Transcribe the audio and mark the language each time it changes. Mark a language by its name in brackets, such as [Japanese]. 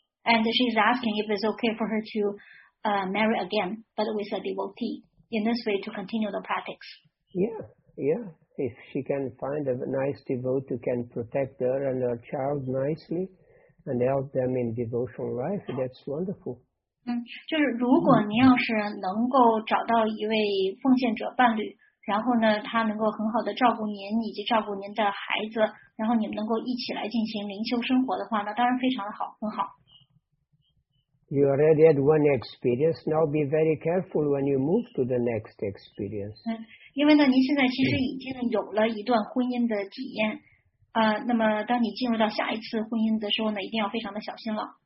[English] And she's asking if it's okay for her to marry again, but with a devotee, in this way to continue the practice. Yeah. If she can find a nice devotee who can protect her and her child nicely and help them in devotional life, that's wonderful. [Chinese] 就是如果您要是能够找到一位奉献者伴侣，然后呢，他能够很好的照顾您以及照顾您的孩子，然后你们能够一起来进行灵修生活的话，那当然非常的好，很好。 [English] You already had one experience, now be very careful when you move to the next experience. [Chinese] 因为呢，您现在其实已经有了一段婚姻的体验，那么当你进入到下一次婚姻的时候呢，一定要非常的小心了。